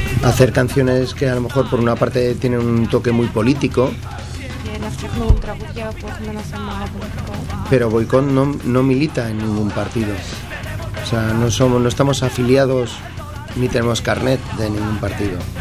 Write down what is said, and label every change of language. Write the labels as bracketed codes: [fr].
[es] Hacer canciones que a lo mejor por una parte tienen un toque muy político. [el] Να φτιάχνουν τραγούδια που έχουν ένα θέμα πολιτικό. [es] Pero Boycott no milita en ningún partido. O sea, no estamos afiliados ni tenemos carnet de ningún partido.